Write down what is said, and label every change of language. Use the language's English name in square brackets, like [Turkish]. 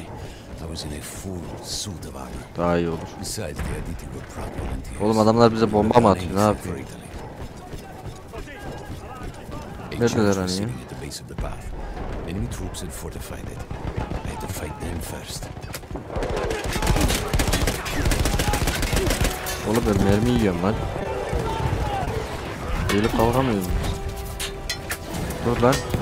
[English] I was in a full suit of armor. [Turkish] Daha iyi olur. [English] Besides, the Aditi were proud volunteers. [Turkish] Oğlum, adamlar bize bomba mı atıyor? Ne yapıyor? Neredeler hani ya? [English] At the base of the path. Enemy troops had fortified it. I had to fight them first. [Turkish] Oğlum, ben mermi yiyorum lan. Gelip kavga mı ediyoruz? Dur lan.